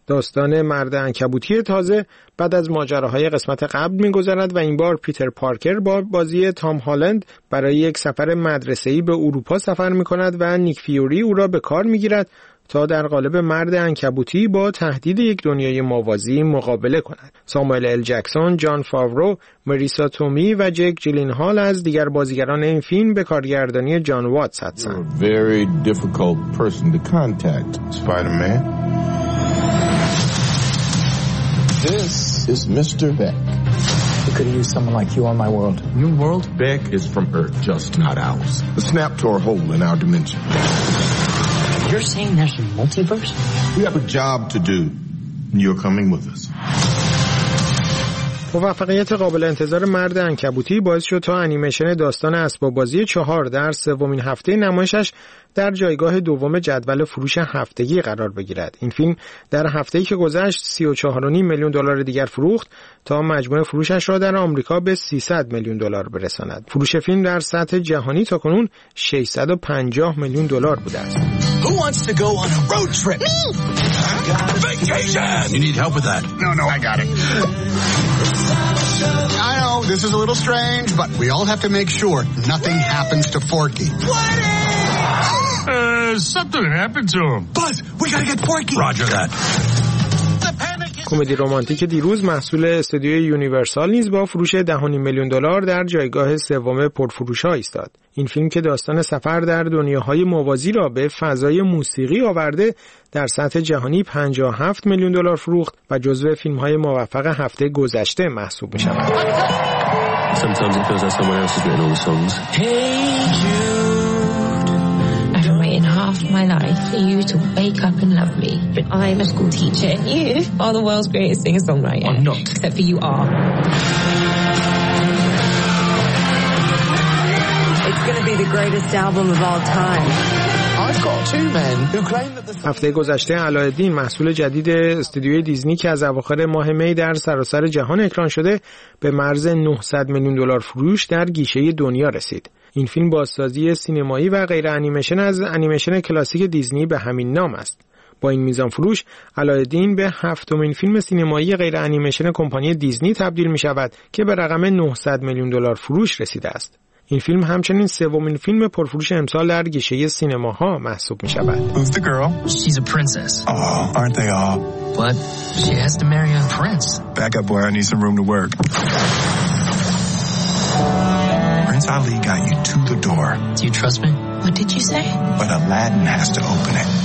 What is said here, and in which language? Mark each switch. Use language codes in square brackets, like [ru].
[fa] داستان مرد عنکبوتی تازه بعد از ماجراهای قسمت قبل می‌گذرد و این بار پیتر پارکر با بازی تام هالند برای یک سفر مدرسه‌ای به اروپا سفر می‌کند و نیک فیوری او را به کار می‌گیرد تا در قالب مرد عنکبوتی با تهدید یک دنیای موازی مقابله کند. ساموئل ال جکسون، جان فاورو، مریسا تومی و جک جیلنهال از دیگر بازیگران این فیلم به کارگردانی جان واتس هستند. [en] Very difficult person to contact, Spider-Man. This is Mr. Beck. We could use someone like you on my world. Your world? Beck is from Earth, just not ours. A snap to our hole in our dimension. You're saying there's a multiverse? We have a job to do. You're coming with us. [fa] موفقیت قابل انتظار مرد عنکبوتی باعث شد تا انیمیشن داستان اسباب بازی 4 در سومین هفته نمایشش در جایگاه دوم جدول فروش هفتگی قرار بگیرد. این فیلم در هفته‌ای که گذشت 34.5 میلیون دلار دیگر فروخت تا مجموع فروشش را در آمریکا به 300 میلیون دلار برساند. فروش فیلم در سطح جهانی تاکنون 650 میلیون دلار بوده است. [en] Who wants to go on a road trip? Me! Vacation! You need help with that? No, no, I got it. I know, this is a little strange, but we all have to make sure nothing happens to Forky. What is? Something happened to him. Buzz, we gotta get Forky! Roger that. [fa] کمدی رمانتیک دیروز محصول استودیوی یونیورسال نیز با فروش 10.5 میلیون دلار در جایگاه سوم پرفروش‌ها ایستاد. این فیلم که داستان سفر در دنیاهای موازی را به فضای موسیقی آورده در سطح جهانی 57 میلیون دلار فروخت و جزو فیلم‌های موفق هفته گذشته محسوب می‌شود. [en] My life for you to wake up and love me. But I'm a school teacher and you are the world's greatest singer-songwriter. I'm not. Except for you are. It's gonna be the greatest album of all time. [fa] هفته گذشته علاءالدین محصول جدید استودیوی دیزنی که از اواخر ماه می در سراسر جهان اکران شده به مرز 900 میلیون دلار فروش در گیشه دنیا رسید. این فیلم بازسازی سینمایی و غیر انیمیشن از انیمیشن کلاسیک دیزنی به همین نام است. با این میزان فروش علاءالدین به هفتمین فیلم سینمایی غیر انیمیشن کمپانی دیزنی تبدیل می شود که به رقم 900 میلیون دلار فروش رسیده است. این فیلم همچنین سومین فیلم پرفروش امسال در گیشه سینماها محسوب می شود. [en] Who's the girl? She's a princess. Oh, aren't they all? But she has to marry a prince. Back up, boy. I need some room to work. Prince Ali got you to the door. Do you trust me? What did you say? But Aladdin has to open it.